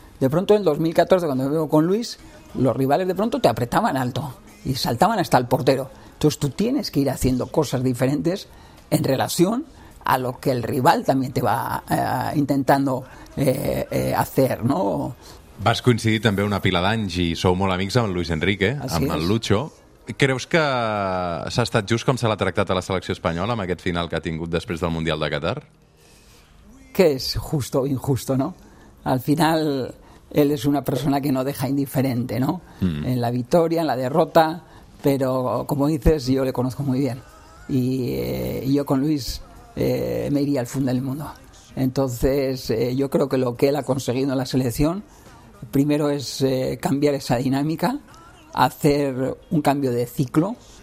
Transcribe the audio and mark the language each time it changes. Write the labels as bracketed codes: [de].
[es] De pronto en 2014, cuando me veo con Luis, los rivales de pronto te apretaban alto y saltaban hasta el portero. Entonces tú tienes que ir haciendo cosas diferentes en relación a lo que el rival también te va intentando hacer, ¿no? [ca] Vas coincidir també una pila d'anys i sou molt amics amb Luis Enrique, amb el Lucho. Creus que s'ha estat just com se l'ha tractat a la selecció espanyola amb aquest final que ha tingut després del Mundial de Qatar? Que és [es] justo o injusto, ¿no? Al final, él es una persona que no deja indiferente, ¿no? En la victoria, en la derrota, pero como dices, yo le conozco muy bien. Y yo con Luis me iría al fondo del mundo. Entonces, yo creo que lo que él ha conseguido en la selección, primero es cambiar esa dinámica, hacer un cambio de ciclo,